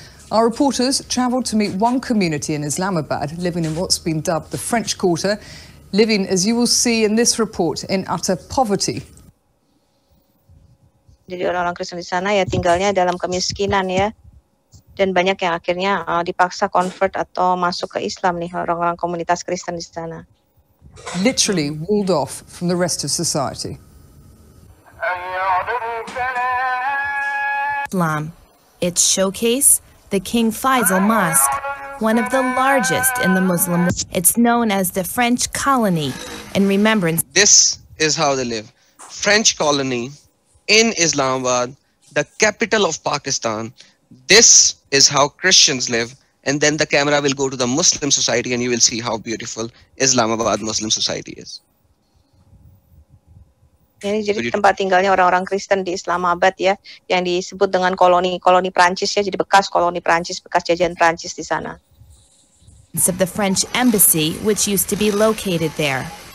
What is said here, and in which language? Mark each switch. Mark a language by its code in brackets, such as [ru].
[en] Our reporters traveled to meet one community in Islamabad living in what's been dubbed the French Quarter, living, as you will see in this report, in utter poverty. [id] Jadi orang-orang Kristen di sana ya tinggalnya dalam kemiskinan ya, dan banyak yang akhirnya dipaksa convert atau masuk ke Islam nih orang-orang komunitas Kristen di sana. [en] Literally walled off from the rest of society. Islam, its showcase, the King Faisal Mosque, one of the largest in the Muslim world. It's known as the French colony in remembrance. This is how they live. French colony in Islamabad, the capital of Pakistan. This is how Christians live. And then the camera will go to the Muslim society and you will see how beautiful Islamabad Muslim society is. [id] Ini jadi tempat tinggalnya orang-orang Kristen di Islamabad ya, yang disebut dengan koloni-koloni Prancis ya, jadi bekas koloni Prancis, bekas jajahan Prancis di sana. [en] Of the French embassy which used to be located there.